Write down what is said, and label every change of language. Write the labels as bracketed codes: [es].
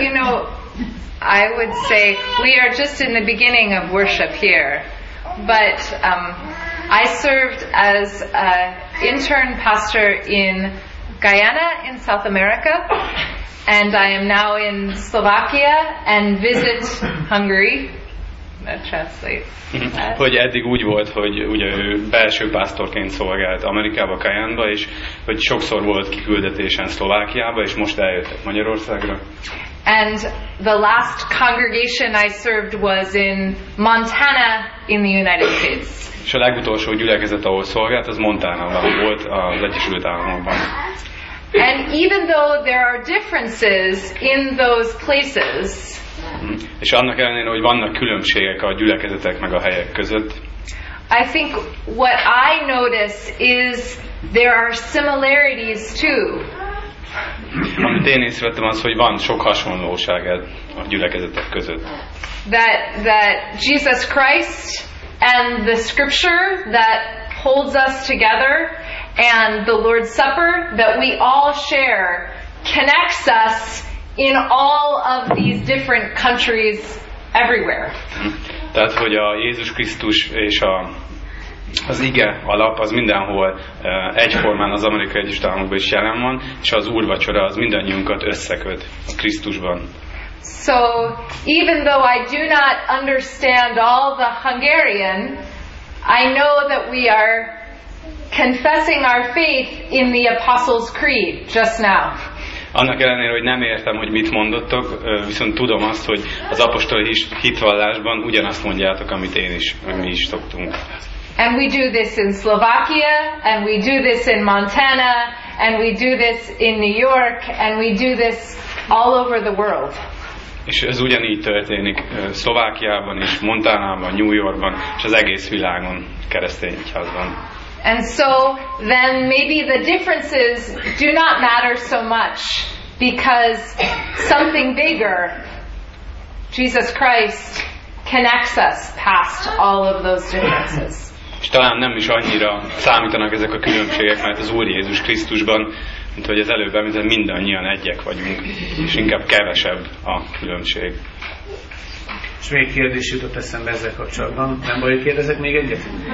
[en] You know, I would say we are just in the beginning of worship here, but I served as a intern pastor in Guyana in South America, and I am now in Slovakia and visit Hungary. That translates. [hu] Hogy eddig úgy volt, hogy ugye ő belső pásztorként szolgált Amerikába, Guyanába, és hogy sokszor volt kiküldetésen Szlovákiába, és most eljöttek Magyarországra. [en] And the last congregation I served was in Montana in the United States. [hu] És a legutolsó gyülekezet, ahol szolgált, az Montanában volt, az Egyesült Államokban. [en] And even though there are differences in those places, [hu] és annak ellenére, hogy vannak különbségek a gyülekezetek meg a helyek között, [en] I think what I notice is there are similarities too. [hu] Amit én észrevettem, az, hogy van sok hasonlóság a gyülekezetek között. [en] That Jesus Christ and the scripture that holds us together and the Lord's Supper that we all share connects us in all of these different countries everywhere. [hu] Tehát, hogy a Jézus Krisztus és az ige alap, az mindenhol egyformán az Amerikai Egyesült Államokban is jelen van, és az úrvacsora az mindannyiunkat összeköt a Krisztusban. [en] So, even though I do not understand all the Hungarian, I know that we are confessing our faith in the Apostles' Creed just now. [hu] Annak ellenére, hogy nem értem, hogy mit mondottok, viszont tudom azt, hogy az apostoli hitvallásban ugyanazt mondjátok, amit én is, mi is szoktunk. [en] And we do this in Slovakia, and we do this in Montana, and we do this in New York, and we do this all over the world. [hu] És ez ugyanígy történik Szlovákiában és Montanában, New Yorkban, és az egész világon keresztény egyházban. [en] And so then maybe the differences do not matter so much because something bigger, Jesus Christ, connects us past all of those differences. [hu] És talán nem is annyira számítanak ezek a különbségek, mert az Úr Jézus Krisztusban, mint hogy az előbb említett, mindannyian egyek vagyunk, és inkább kevesebb a különbség. És még kérdés jutott eszembe ezzel kapcsolatban. Nem baj, hogy kérdezek még egyet?